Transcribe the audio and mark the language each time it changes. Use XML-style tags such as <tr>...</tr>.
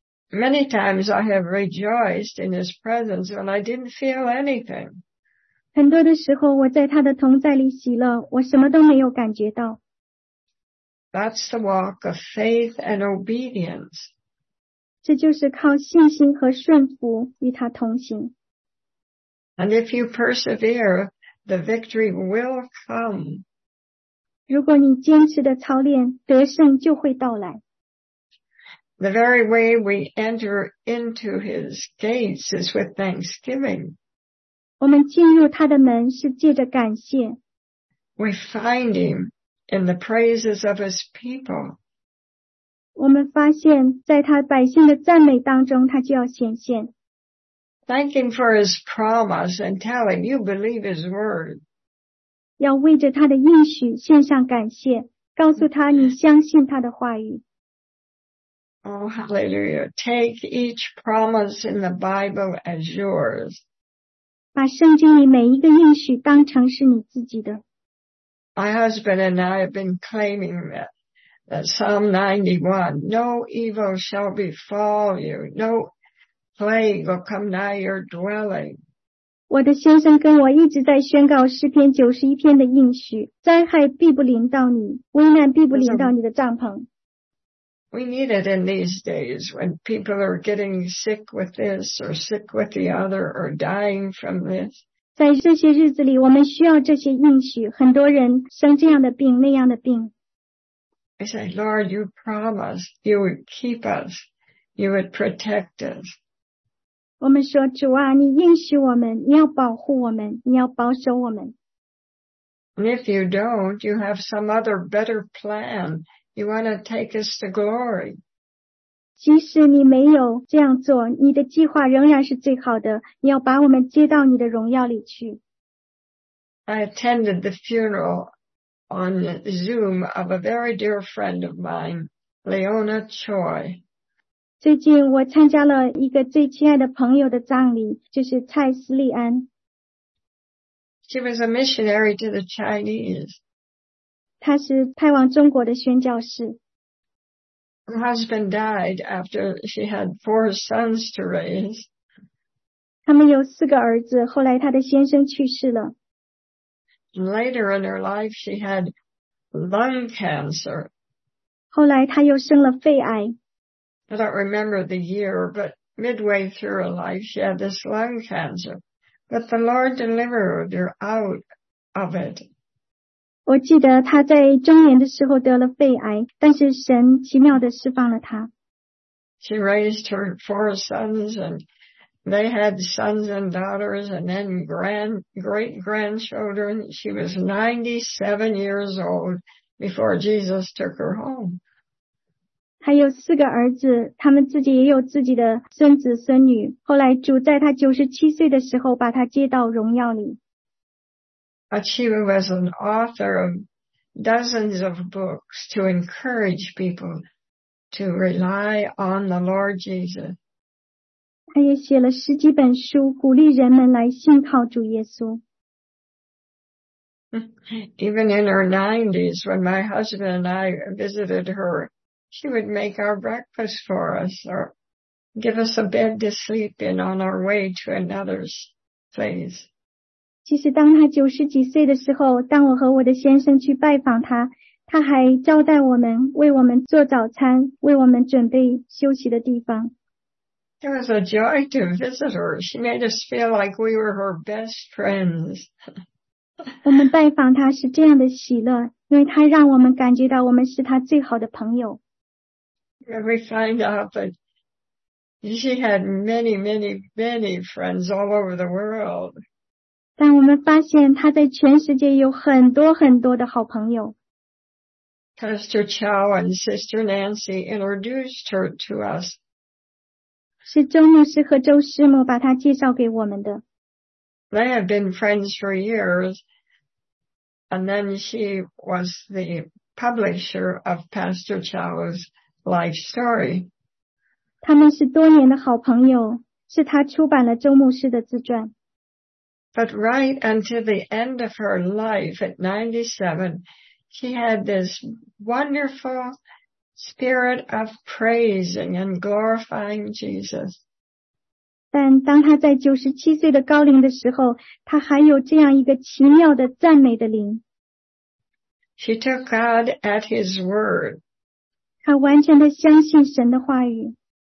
<en>Many times I have rejoiced in his presence when I didn't feel anything.</en> <zh>很多的时候我在他的同在里喜乐，我什么都没有感觉到。</zh> <en>That's the walk of faith and obedience.</en> <zh>这就是靠信心和顺服与他同行。</zh> <en>And if you persevere, the victory will come.</en> <zh>如果你坚持的操练，得胜就会到来。</zh> <en>The very way we enter into his gates is with thanksgiving.</en> <zh>我们进入他的门是借着感谢。</zh> <en>We find him in the praises of his people.</en> <zh>我们发现在他百姓的赞美当中他就要显现。</zh> <en>Thank him for his promise and tell him you believe his word.</en> <zh>要为着他的应许献上感谢，告诉他你相信他的话语。</zh> <en>Oh, hallelujah. Take each promise in the Bible as yours.</en> <zh>把圣经里每一个应许当成是你自己的。</zh> <en>My husband and I have been claiming that Psalm 91, no evil shall befall you, no plague will come nigh your dwelling.</en> <zh>我的先生跟我一直在宣告诗篇91篇的应许，灾害必不临到你，危难必不临到你的帐篷。</zh> <en>We need it in these days when people are getting sick with this or sick with the other or dying from this.</en> <zh>在这些日子里我们需要这些应许，很多人生这样的病那样的病。</zh> <en>I say, Lord, you promised you would keep us, you would protect us.</en> <zh>我们说主啊，你应许我们，你要保护我们，你要保守我们。</zh> <en>And if you don't, you have some other better plan. You want to take us to glory.</en> <zh>即使你没有这样做，你的计划仍然是最好的，你要把我们接到你的荣耀里去。</zh> <en>I attended the funeral on Zoom of a very dear friend of mine, Leona Choi.</en> <zh>最近我参加了一个最亲爱的朋友的葬礼，就是蔡斯利安。</zh> <en>She was a missionary to the Chinese.</en> <zh>她是派往中国的宣教士。</zh> <en>Her husband died after she had 4 sons to raise.</en> <zh>他们有四个儿子，后来她的先生去世了。</zh> <en>Later in her life, she had lung cancer.</en> <zh>后来她又生了肺癌。</zh> <en>I don't remember the year, but midway through her life, she had this lung cancer. But the Lord delivered her out of it.</en> <zh>我记得他在中年的时候得了肺癌，但是神奇妙地释放了他。</zh> <en>She raised her 4 sons and they had sons and daughters and then great-grandchildren. She was 97 years old before Jesus took her home.</en> <zh>还有四个儿子，他们自己也有自己的孙子孙女，后来主在他97岁的时候把他接到荣耀里。</zh> <en>She was an author of dozens of books to encourage people to rely on the Lord Jesus.</en> <zh>他也写了十几本书，鼓励人们来信靠主耶稣。</zh> <en>Even in her 90s, when my husband and I visited her, she would make our breakfast for us or give us a bed to sleep in on our way to another's place.</en> <zh>其实当他九十几岁的时候，当我和我的先生去拜访他，他还招待我们，为我们做早餐，为我们准备休息的地方。</zh> <en>It was a joy to visit her. She made us feel like we were her best friends.</en> <zh>我们拜访他是这样的喜乐，因为他让我们感觉到我们是他最好的朋友。</zh> <en>We find out that she had many, many, many friends all over the world.</en> <zh>但我们发现他在全世界有很多很多的好朋友。</zh> <en>Pastor Chow and Sister Nancy introduced her to us.</en> <zh>是周牧师和周师母把他介绍给我们的。</zh> <en>They have been friends for years, and then she was the publisher of Pastor Chow's life story.</en> <zh>他们是多年的好朋友，是他出版了周牧师的自传。</zh> <en>But right until the end of her life at 97, she had this wonderful spirit of praising and glorifying Jesus.</en> <zh>但当他在97岁的高龄的时候，他还有这样一个奇妙的赞美的灵。</zh> <en>She took God at his word.</en> <zh>他完全的相信神的话语。</zh>